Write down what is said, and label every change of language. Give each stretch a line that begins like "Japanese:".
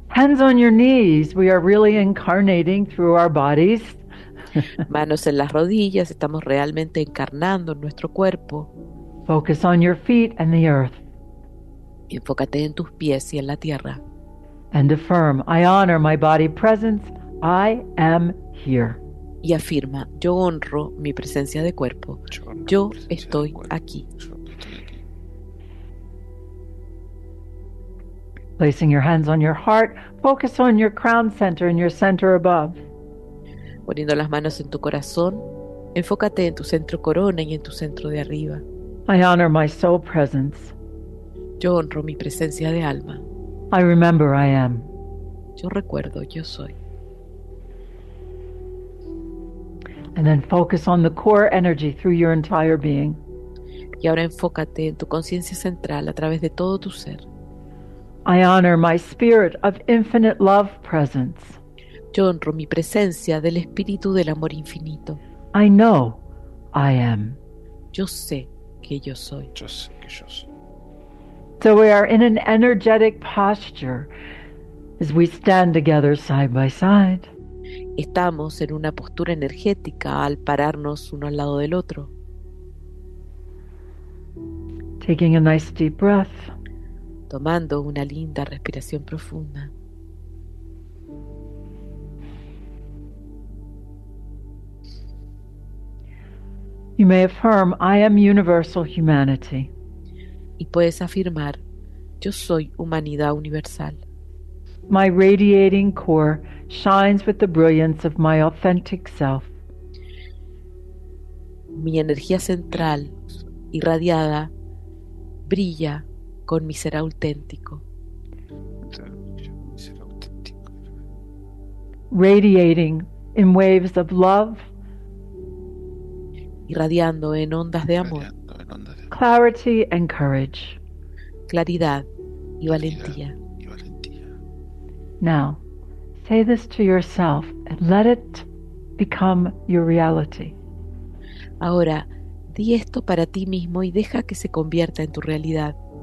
English: Hands on your knees. We are really incarnating through our bodies.
Spanish: Manos en las rodillas, estamos realmente encarnando en nuestro cuerpo.
English: Focus on your feet and the earth.
Spanish: Enfócate en tus pies y en la tierra.
English: And affirm, I honor my body presence, I am here.
Spanish: Y afirma, yo honro mi presencia de cuerpo, yo estoy aquí.
English: Placing your hands on your heart, focus on your crown center and your center above.
Spanish: Poniendo las manos en tu corazón, enfócate en tu centro corona y en tu centro de arriba.
English: I honor my soul presence.
Spanish: Yo honro mi presencia de alma.
English: I remember I am.
Spanish: Yo recuerdo, yo soy.
English: And then focus on the core energy through your entire being.
Spanish: Y ahora enfócate en tu conciencia central a través de todo tu ser.
English: I honor my spirit of infinite love presence.
Spanish: Yo honro mi presencia del espíritu del amor infinito.
English: I know I am.
Spanish: Yo sé que yo soy. Yo sé que yo soy.
English: So we are in an energetic posture as we stand together side by side.
Spanish: Estamos en una postura energética al pararnos uno al lado del otro.
English: Taking a nice deep breath.
Spanish: Tomando una linda respiración profunda.
English: You may affirm, I am universal humanity.
Spanish: Y puedes afirmar, yo soy humanidad universal.
English: My radiating core shines with the brilliance of my authentic self.
Spanish: Mi energía central irradiada brilla con mi ser auténtico.
English: Radiating in waves of love.
Spanish: Irradiando en ondas de amor.
English: Clarity and courage.
Spanish: Claridad y valentía.
English: Now, say this to yourself and let it become your reality.
Spanish: Ahora, di esto para ti mismo y deja que se convierta en tu realidad.